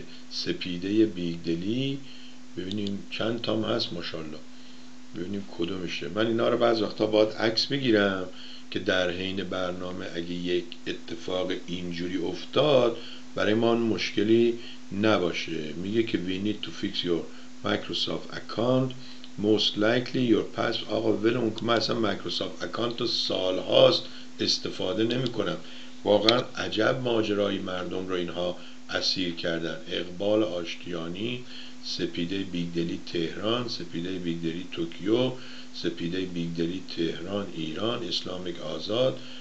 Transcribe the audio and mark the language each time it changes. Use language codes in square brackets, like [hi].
[fa] سپیده بیگدلی، ببینیم چند تام هست ماشاءالله، ببینیم کدومشه. من اینا رو بعض وقتا باید عکس بگیرم که در حین برنامه اگه یک اتفاق اینجوری افتاد برای ما مشکلی نباشه. میگه که [en] we need to fix your Microsoft account most likely your password. [fa] آقا ول اون که من اصلا مایکروسافت اکانت رو سال هاست استفاده نمی کنم. واقعا عجب ماجرایی مردم رو اینها اسیر کردن. اقبال آشتیانی، سپیده بیگدلی تهران، سپیده بیگدلی توکیو، سپیده بیگدلی تهران ایران، اسلامیک آزاد.